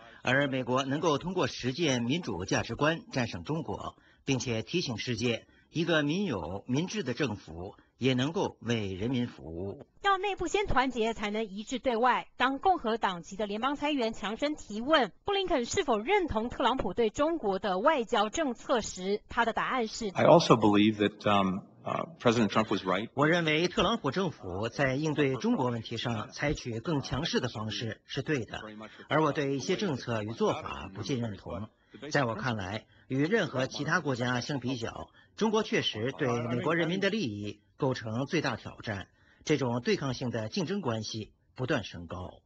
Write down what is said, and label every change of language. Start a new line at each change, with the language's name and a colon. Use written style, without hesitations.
Chinese: 而美国能够通过实践民主价值观战胜中国，并且提醒世界，一个民有民治的政府也能够为人民服务。要内部先团结才能一致对外。当共和党籍的联邦参议员强生提问布林肯是否认同特朗普对中国的外交政策时，他的答案是
English: I also believe that President Trump was right.
Chinese: 我认为特朗普政府在应对中国问题上采取更强势的方式是对的，而我对一些政策与做法不尽认同。在我看来，与任何其他国家相比较，中国确实对美国人民的利益构成最大挑战，这种对抗性的竞争关系不断升高。